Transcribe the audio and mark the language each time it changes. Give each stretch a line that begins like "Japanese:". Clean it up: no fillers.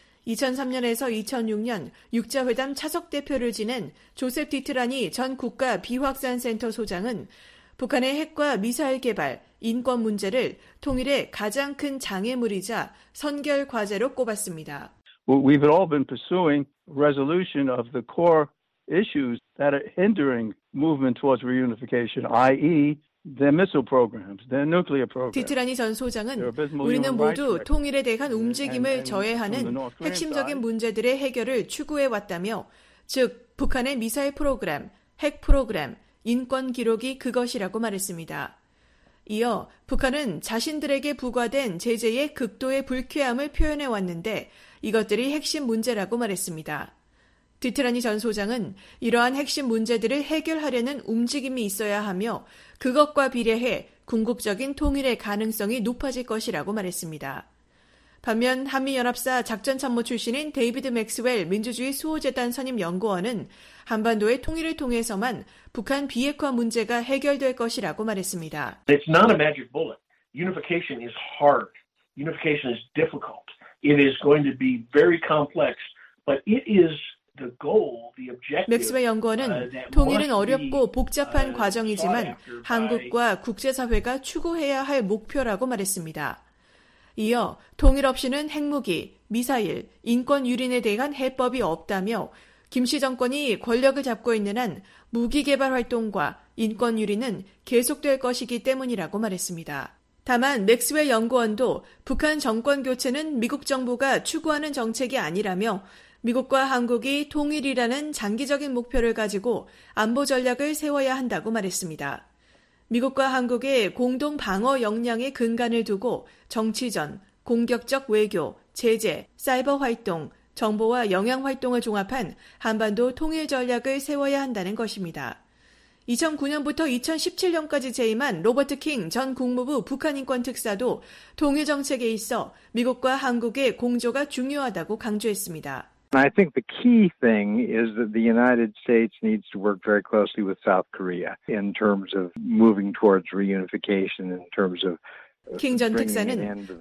Korean: 2003년에서 2006년 6자회담 차석 대표를 지낸 조셉 디트라니 전 국가 비확산 센터 소장은 북한의 핵과 미사일 개발, 인권 문제를 통일의 가장 큰 장애물이자 선결 과제로 꼽았습니다.
English: We've all been pursuing resolution of the core issues that are hindering movement towards reunification, i.e. their missile programs, their nuclear programs.
Korean: 디트라니 전 소장은 우리는 모두 통일에 대한 움직임을 저해하는 핵심적인 문제들의 해결을 추구해왔다며, 즉 북한의 미사일 프로그램, 핵 프로그램, 인권 기록이 그것이라고 말했습니다. 이어 북한은 자신들에게 부과된 제재의 극도의 불쾌함을 표현해왔는데 이것들이 핵심 문제라고 말했습니다. 디트라니 전 소장은 이러한 핵심 문제들을 해결하려는 움직임이 있어야 하며 그것과 비례해 궁극적인 통일의 가능성이 높아질 것이라고 말했습니다. 반면 한미연합사 작전참모 출신인 데이비드 맥스웰 민주주의 수호재단 선임연구원은 한반도의 통일을 통해서만 북한 비핵화 문제가 해결될 것이라고 말했습니다.
English: It's not a magic bullet. Unification is hard. Unification is difficult. It is going to be very complex, but it is the goal, the objective.
Korean: 맥스웰 연구원은 통일은 어렵고 복잡한 과정이지만 한국과 국제사회가 추구해야 할 목표라고 말했습니다. 이어 통일 없이는 핵무기, 미사일, 인권 유린에 대한 해법이 없다며 김 씨 정권이 권력을 잡고 있는 한 무기 개발 활동과 인권 유린은 계속될 것이기 때문이라고 말했습니다. 다만 맥스웰 연구원도 북한 정권 교체는 미국 정부가 추구하는 정책이 아니라며 미국과 한국이 통일이라는 장기적인 목표를 가지고 안보 전략을 세워야 한다고 말했습니다. 미국과 한국의 공동 방어 역량의 근간을 두고 정치전, 공격적 외교, 제재, 사이버 활동, 정보와 영향 활동을 종합한 한반도 통일 전략을 세워야 한다는 것입니다. 2009년부터 2017년까지 재임한 로버트 킹 전 국무부 북한인권특사도 통일 정책에 있어 미국과 한국의 공조가 중요하다고 강조했습니다.
English: I think the key thing is that the United States needs to work very closely with South Korea in terms of moving towards reunification, in terms of bringing an end to the division of Korea.